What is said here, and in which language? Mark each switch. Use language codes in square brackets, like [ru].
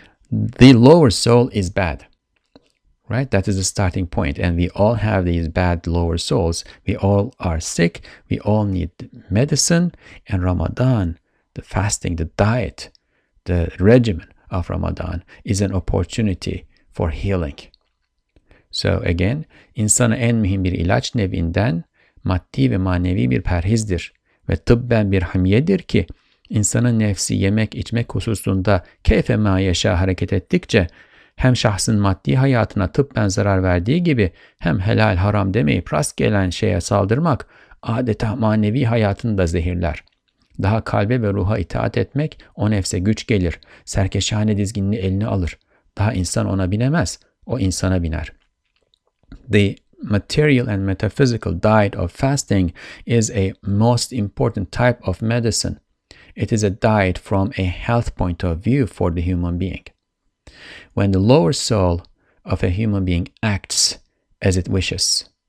[en] The lower soul is bad." Right? That is the starting point. And we all have these bad lower souls. We all are sick. We all need medicine. And Ramadan, the fasting, the diet, the regimen of Ramadan is an opportunity for healing. So again, [tr] insana en mühim bir ilaç nevinden maddi ve manevi bir perhizdir ve tıbben bir hamiyedir ki insanın nefsi yemek içmek hususunda keyfe ma yaşa hareket ettikçe hem şahsın maddi hayatına tıbben zarar verdiği gibi hem helal haram demeyip rast gelen şeye saldırmak adeta manevi hayatını da zehirler. Daha kalbe ve ruha itaat etmek o nefse güç gelir. Serkeşhane dizginini eline alır. Daha insan ona binemez, o insana biner. [en] The material and metaphysical diet of fasting is a most important type of medicine. It is a diet from a health point of view for the human being. When the lower soul of a human being acts as it wishes.